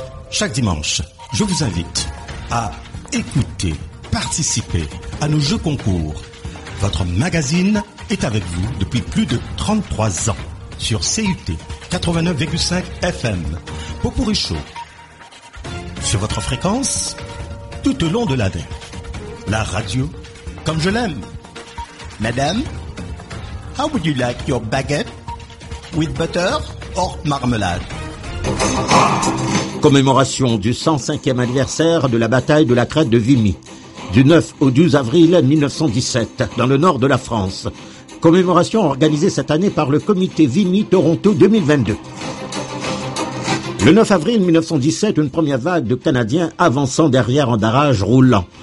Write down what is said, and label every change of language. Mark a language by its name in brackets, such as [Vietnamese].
[French] Chaque dimanche, je vous invite à écouter, participer à nos jeux concours. Votre magazine est avec vous depuis plus de 33 ans sur CUT 89,5 FM. Popourri Show. Sur votre fréquence, tout au long de l'année. La radio, comme je l'aime. [English] Madame, how would you like your baguette with butter or marmalade? [French] Commémoration du 105e anniversaire de la bataille de la crête de Vimy, du 9 au 12 avril 1917, dans le nord de la France. Commémoration organisée cette année par le comité Vimy-Toronto 2022. Le 9 avril 1917, une première vague de Canadiens avançant derrière un barrage roulant.